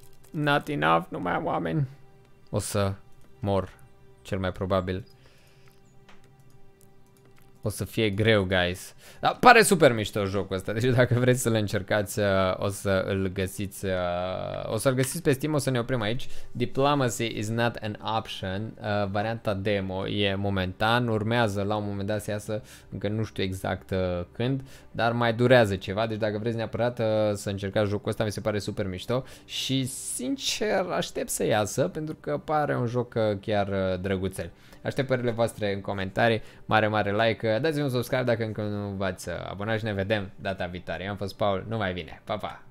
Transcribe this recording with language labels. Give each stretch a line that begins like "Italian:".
English: Not enough,
Romanian: nu mai am oameni. O să mor, cel mai probabil. O să fie greu, guys. Dar pare super mișto jocul ăsta. Deci dacă vreți să-l încercați, o să îl găsiți. O să-l găsiți pe Steam, o să ne oprim aici.
English: Diplomacy is not an option.
Romanian: Varianta demo e momentan. Urmează la un moment dat să iasă. Încă nu știu exact când. Dar mai durează ceva. Deci dacă vreți neapărat să încercați jocul ăsta, mi se pare super mișto. Și sincer aștept să iasă, pentru că pare un joc chiar drăguțel. Așteptările voastre în comentarii. Mare, mare like. Dați-mi un subscribe dacă încă nu v-ați abonat. Și ne vedem data viitoare. Eu am fost Paul. Numai bine. Pa, pa!